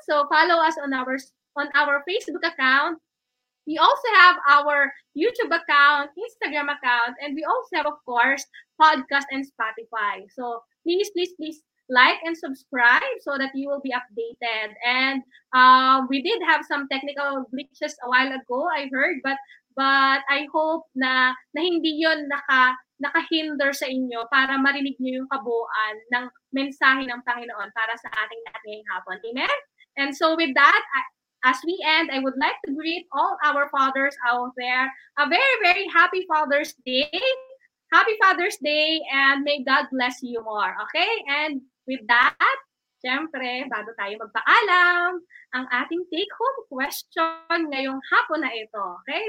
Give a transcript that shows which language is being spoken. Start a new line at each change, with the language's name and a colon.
English: So follow us on our Facebook account. We also have our YouTube account, Instagram account, and we also have, of course, podcast and Spotify. So please, please, please like and subscribe so that you will be updated. And we did have some technical glitches a while ago, I heard, but But I hope
Filipino: na hindi yun nakahinder sa inyo para marinig nyo yung kabuuan ng mensahe ng Panginoon para sa ating lahat ngayong hapon.
English: Amen? And so with that, as we end, I would like to greet all our fathers out there. A very, very happy Father's Day. Happy Father's Day and may God bless you more. Okay? And with that,
Filipino: syempre, bago tayo magpaalam, ang ating take-home question ngayong hapon na ito. Okay?